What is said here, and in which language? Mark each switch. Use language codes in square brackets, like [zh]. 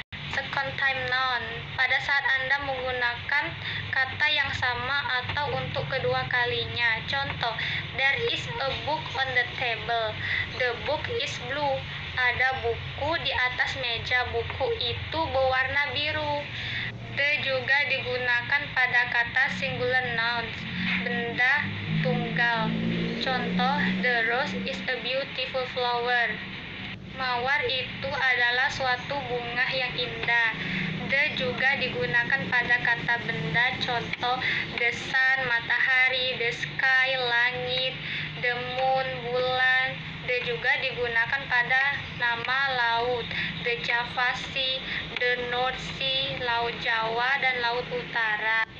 [en] Second time noun, [id] pada saat Anda menggunakan kata yang sama atau untuk kedua kalinya. [en] Contoh, there is a book on the table. The book is blue. [id] Ada buku di atas meja, buku itu berwarna biru. The juga digunakan pada kata singular noun, benda tunggal. [en] Contoh, the rose is a beautiful flower. [id] Mawar itu adalah suatu bunga yang indah. The juga digunakan pada kata benda, contoh, the sun, matahari, the sky, langit, the moon, bulan. The juga digunakan pada nama laut, the Java Sea, the North Sea, Laut Jawa, dan Laut Utara.